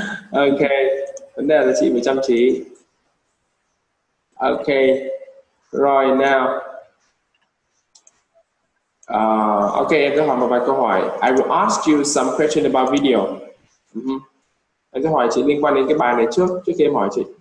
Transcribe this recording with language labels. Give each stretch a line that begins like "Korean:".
Vietnamese: Ok, vấn đề là chị phải chăm chỉ. Ok, rồi nào. Ok, em sẽ hỏi một vài câu hỏi.
English: I will ask you some question about video.
Vietnamese: Em sẽ hỏi chị liên quan đến cái bài này trước khi em hỏi chị.